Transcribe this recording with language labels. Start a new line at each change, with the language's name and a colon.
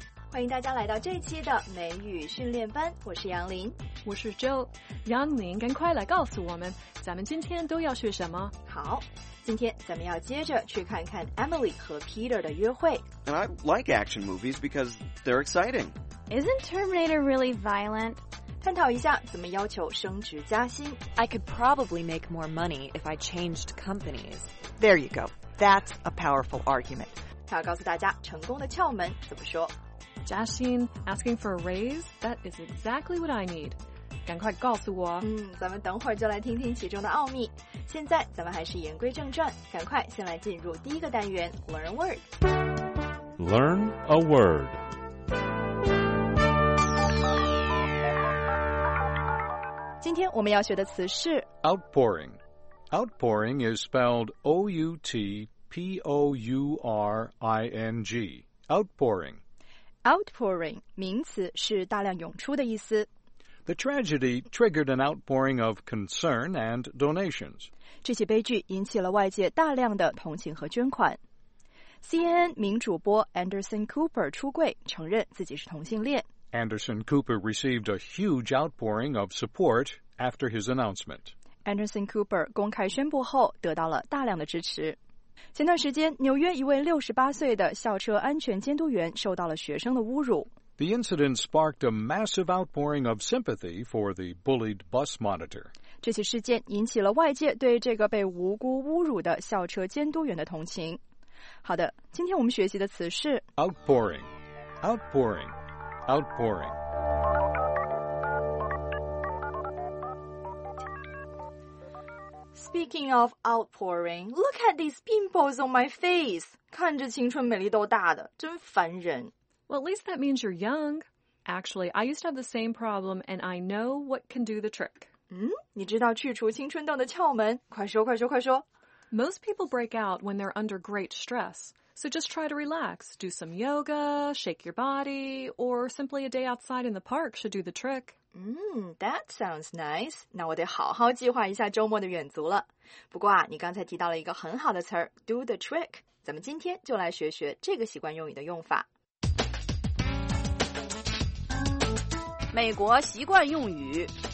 Chinese: 欢迎大家来到这期的美语训练班，我是杨林，我是 Joe。杨林，赶快来告诉我们咱们今天都要学什么。好，今天咱们要接着去看看 Emily 和 Peter 的约会。
English: And I like action movies because they're exciting. Isn't Terminator really violent?
Chinese: 探讨一下怎么要求升职加薪。
English: I could probably make more money if I changed companies. There you go, that's a powerful argument.
Chinese: 他要告诉大家成功的窍门怎么说。
English: 加薪 asking for a raise, that is exactly what I need.
Chinese: 赶快告诉我。咱们等会儿就来听听其中的奥秘。现在咱们还是言归正传，赶快先来进入第一个单元 Learn Word。
English: Learn a word。
Chinese: 今天我们要学的词是
English: Outpouring. Outpouring is spelled O-U-T-P-O-U-R-I-N-G. Outpouring.
Chinese: Outpouring, 名词，是大量涌出的意思。
English: The tragedy triggered an outpouring of concern and donations.
Chinese: 这起悲剧引起了外界大量的同情和捐款。 CNN 名主播 Anderson Cooper 出柜，承认自己是同性恋。
English: Anderson Cooper received a huge outpouring of support after his announcement.
Chinese: Anderson Cooper 公开宣布后，得到了大量的支持。前段时间，纽约一位68岁的校车安全监督员受到了学生的侮辱。
English: The incident sparked a massive outpouring of sympathy for the bullied bus monitor.
Chinese: 这起事件引起了外界对这个被无辜侮辱的校车监督员的同情。好的，今天我们学习的词是
English: outpouring, outpouring, outpouring. Speaking of outpouring, look at these pimples on my face.
Chinese: 看着青春美丽痘大的，真烦人。
English: Well, at least that means you're young. Actually, I used to have the same problem, and I know what can do the trick.
Chinese: 你知道去除青春痘的窍门？快说，快说，快说。
English: Most people break out when they're under great stress. So just try to relax. Do some yoga, shake your body, or simply a day outside in the park should do the trick. That sounds nice.
Chinese: 那我得好好计划一下周末的远足了。不过啊，你刚才提到了一个很好的词儿 ,do the trick. 咱们今天就来学学这个习惯用语的用法。美国习惯用语